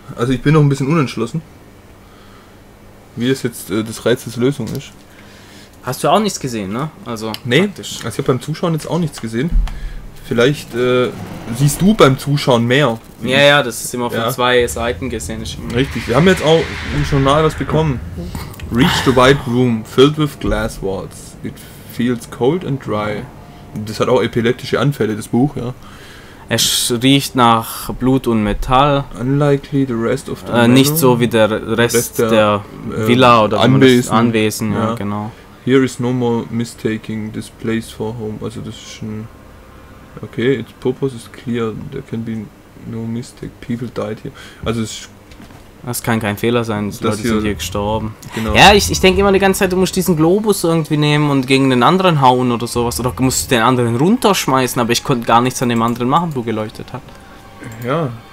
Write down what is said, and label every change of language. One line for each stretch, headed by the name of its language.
German: Also ich bin noch ein bisschen unentschlossen, wie es jetzt das Rätsels Lösung ist. Hast du auch nichts gesehen, ne? Also nee, praktisch. Also ich habe beim Zuschauen jetzt auch nichts gesehen. Vielleicht siehst du beim Zuschauen mehr. Ja, ja, das ist immer von zwei Seiten gesehen. Richtig, wir haben jetzt auch im Journal was bekommen.
English: Reach the white room, filled with glass walls. It feels cold and dry.
German: Das hat auch epileptische Anfälle, das Buch, ja. Es riecht nach Blut und Metall.
English: Unlikely the rest of the
German: nicht so wie der Rest der Villa oder Anwesen. Ja, genau.
English: Here is no more mistaking this place for home.
German: Also das ist schon...
English: Okay, its purpose is clear. There can be no mistake. People died here.
German: Also es ist... Das kann kein Fehler sein, die Leute hier sind hier gestorben. Genau. Ja, ich denke immer die ganze Zeit, du musst diesen Globus irgendwie nehmen und gegen den anderen hauen oder sowas. Oder musst du den anderen runterschmeißen, aber ich konnte gar nichts an dem anderen machen, wo geleuchtet hat. Ja.